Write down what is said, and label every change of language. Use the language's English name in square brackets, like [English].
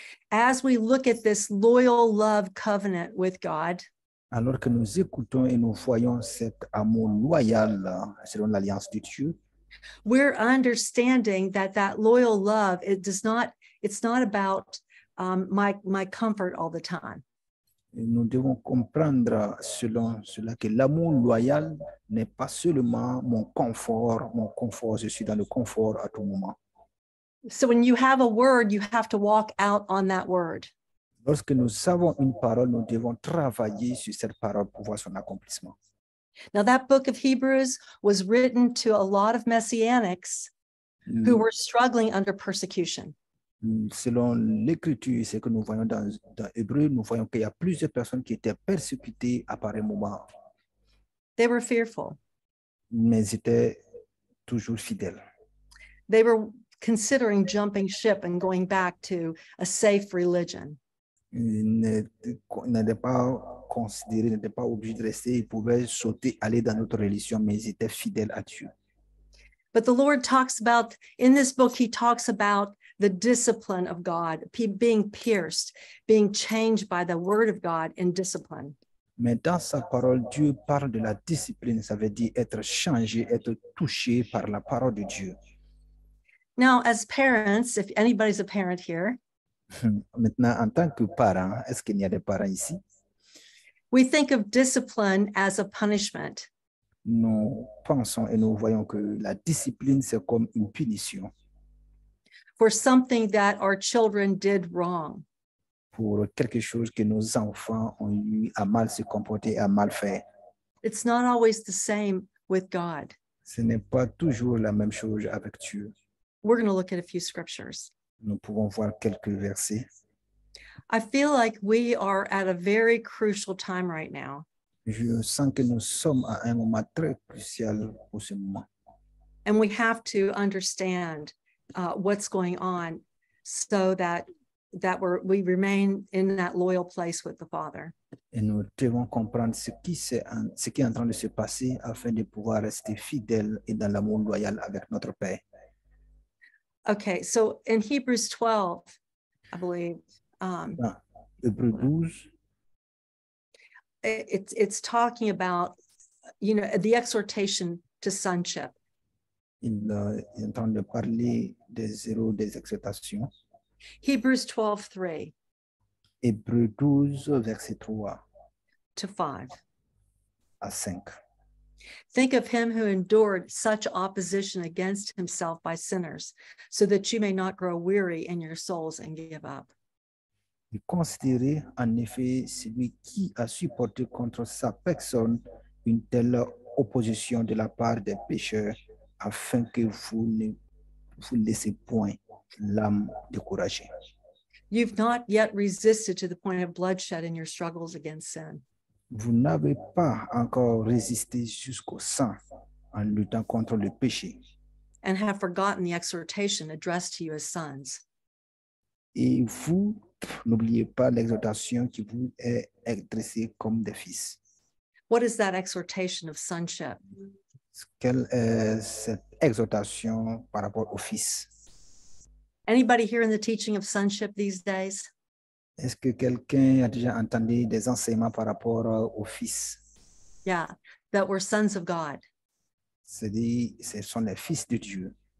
[English] As we look at this loyal love covenant with God, [French] alors que nous écoutons et nous voyons cet amour loyal selon l'alliance de Dieu, [English] we're understanding that loyal love, it does not, it's not about my comfort all the time. [French] Et nous devons comprendre selon cela que l'amour loyal n'est pas seulement mon confort, je suis dans le confort à tout moment. [English] So when you have a word, you have to walk out on that word. [French] Lorsque nous avons une parole, nous devons travailler sur cette parole pour voir son accomplissement. [English] Now that book of Hebrews was written to a lot of messianics who were struggling under persecution. [French] Selon l'écriture, ce que nous voyons dans Hébreux, nous voyons qu'il y a plusieurs personnes qui étaient persécutées à pareil moment. [English] They were fearful. [French] Mais ils étaient toujours fidèles. [English] They were considering jumping ship and going back to a safe religion. But the Lord talks about, in this book, he talks about the discipline of God, being pierced, being changed by the word of God in discipline. [French] Mais dans sa parole, Dieu parle de la discipline, ça veut dire être changé, être touché par la parole de Dieu. [English] Now, as parents, if anybody's a parent here, [French] maintenant, en tant que parent, est-ce qu'il y a des parents ici? [English] We think of discipline as a punishment. [French] nous pensons et nous voyons que la discipline, c'est comme une punition. [English] For something that our children did wrong. [French] Pour quelque chose que nos enfants ont eu à mal se comporter, à mal faire. [English] It's not always the same with God. [French] Ce n'est pas toujours la même chose avec Dieu. [English] We're going to look at a few scriptures. [French] Nous pouvons voir quelques versets. [English] I feel like we are at a very crucial time right now. [French] Je sens que nous sommes à un moment très crucial pour ce moment. [English] And we have to understand what's going on so that we remain in that loyal place with the Father. [French] Et nous devons comprendre ce qui est en train de se passer afin de pouvoir rester fidèles et dans l'amour loyal avec notre Père. [English] Okay, so in Hebrews 12, I believe. Hebrews 12. It's talking about, you know, the exhortation to sonship. [French] Il est en train de parler des exhortations. [English] Hebrews 12, 3. [French] Hébreux 12, verset 3. [English] To 5. [French] À 5. [English] Think of him who endured such opposition against himself by sinners, so that you may not grow weary in your souls and give up. [French] Et considérez en effet celui qui a supporté contre sa personne une telle opposition de la part des pécheurs, afin que vous ne vous laissez point l'âme découragée. [English] You've not yet resisted to the point of bloodshed in your struggles against sin. [French] Vous n'avez pas encore résisté jusqu'au sang en luttant contre le péché. [English] And have forgotten the exhortation addressed to you as sons. [French] Et vous n'oubliez pas l'exhortation qui vous est adressée comme des fils. [English] What is that exhortation of sonship? [French] Quelle est cette exhortation par rapport au fils? [English] Anybody here in the teaching of sonship these days? [French] Est-ce que quelqu'un a déjà entendu des enseignements par rapport au fils? [English] Yeah, that we're sons of God. [French] C'est-à-dire, ce sont les fils de Dieu.